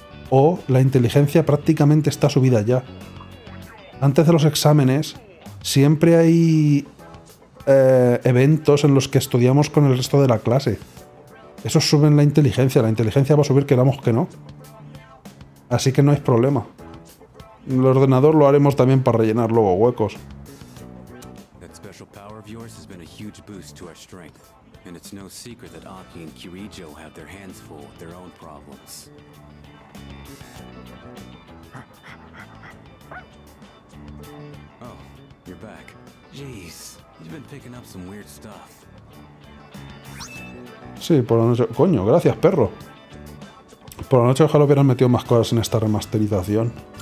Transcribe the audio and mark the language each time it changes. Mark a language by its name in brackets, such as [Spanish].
[Spanish] ¿O la inteligencia prácticamente está subida ya? Antes de los exámenes, siempre hay eventos en los que estudiamos con el resto de la clase. Eso sube en la inteligencia va a subir, queramos que no. Así que no hay problema. El ordenador lo haremos también para rellenar luego huecos. [English] huge boost to our strength. And it's no secret that Aki and Kirijo have their hands full with their own problems. Oh, you're back. Jeez, you've been picking up some weird stuff. [Spanish] Sí, por la noche... Coño, gracias, perro. Por la noche ojalá hubieran metido más cosas en esta remasterización.